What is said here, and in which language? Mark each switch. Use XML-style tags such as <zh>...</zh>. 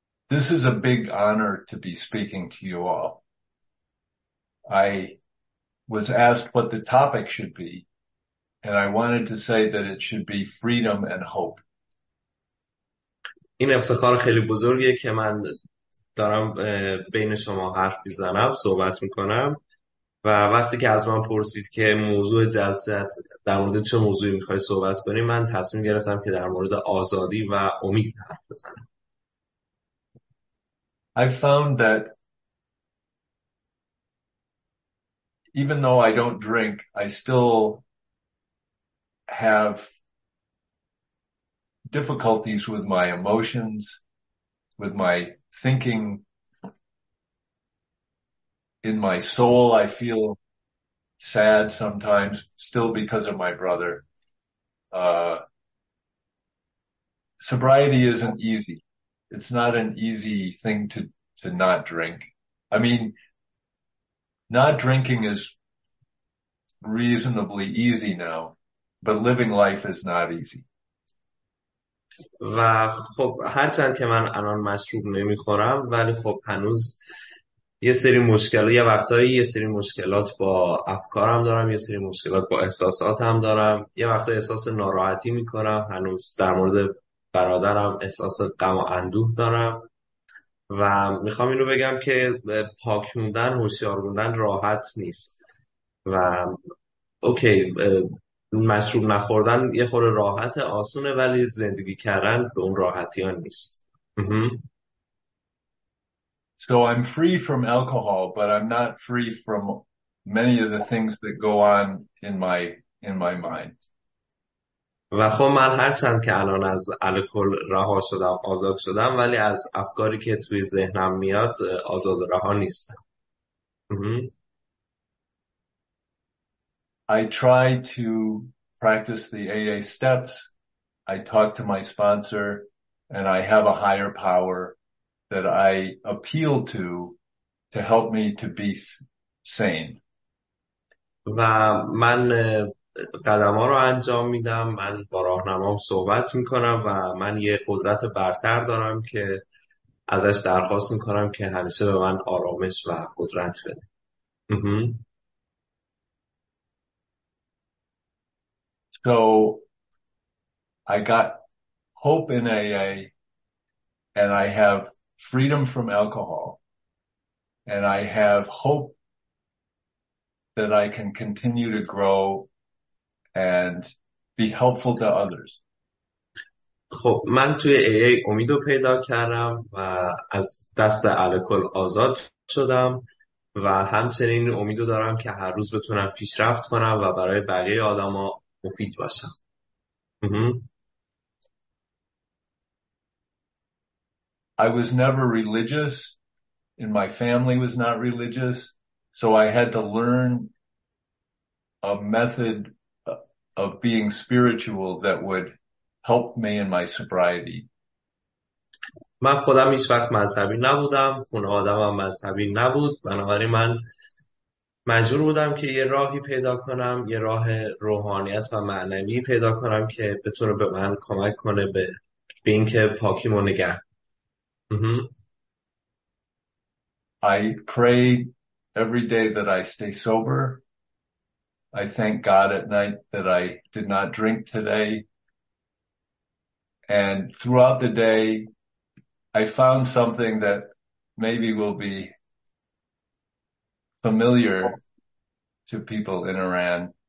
<en>This is a big honor to be speaking to you all. I was asked what the topic should be, and I wanted to say that it should be freedom and hope.</en> <fa>این افتخار خیلی بزرگیه که من دارم بین شما حرف میزنم، صحبت میکنم، و وقتی که از من پرسید که موضوع جلسه در مورد چه موضوعی میخوای صحبت کنی، من تصمیم گرفتم که در مورد آزادی و امید حرف بزنم.</fa> <en>I found that even though I don't drink, I still have difficulties with my emotions, with my thinking. In my soul, I feel sad sometimes, still because of my brother. Sobriety isn't easy. It's not an easy thing to not drink. I mean, not drinking is reasonably easy now, but living life is not easy.</en> <fa>و خب هرچند که من الان مشروب نمیخورم، ولی خب هنوز یه سری مشکلات، یه وقتایی یه سری مشکلات با افکارم دارم، یه سری مشکلات با احساساتم دارم، یه وقتایی احساس ناراحتی میکنم، هنوز در مورد برادرم احساس غم و اندوه دارم، و میخوام اینو بگم که پاک موندن، هوشیار موندن راحت نیست. و اوکی، مشروب نخوردن یه خورده راحت آسونه، ولی زندگی کردن به اون راحتی ها نیست.</fa> <en>So I'm free from alcohol, but I'm not free from many of the things that go on in my mind.</en> <fa>و خب من هرچند که الان از الکل رها شدم، آزاد شدم، ولی از افکاری که توی ذهنم میاد آزاد رها نیستم.</fa> <en>I try to practice the AA steps. I talk to my sponsor, and I have a higher power that I appeal to help me to be sane.</en> <fa>و من قدم‌ها رو انجام میدم، من با راهنمام صحبت میکنم، و من یه قدرت برتر دارم که ازش درخواست میکنم که همیشه به من آرامش و قدرت بده.</fa> <en>So I got hope in AA, and I have freedom from alcohol, and I have hope that I can continue to grow and be helpful to others.</en> <fa>خب من توی AA امیدو پیدا کردم و از دست الکل آزاد شدم، و همچنین امیدو دارم که هر روز بتونم پیشرفت کنم و برای بقیه آدما مفید باشم.</fa> <en>I was never religious, and my family was not religious, so I had to learn a method of being spiritual that would help me in my sobriety.</en> <fa>من خودم هیچ وقت مذهبی نبودم، خانواده‌ام مذهبی نبود، بنابراین من مجبور بودم که یه راهی پیدا کنم، یه راه روحانیت و معنوی پیدا کنم که بتونه به من کمک کنه به اینکه پاکیمو نگه.</fa> <en>I pray every day that I stay sober. I thank God at night that I did not drink today. And throughout the day, I found something that maybe will be familiar to people in Iran.</en>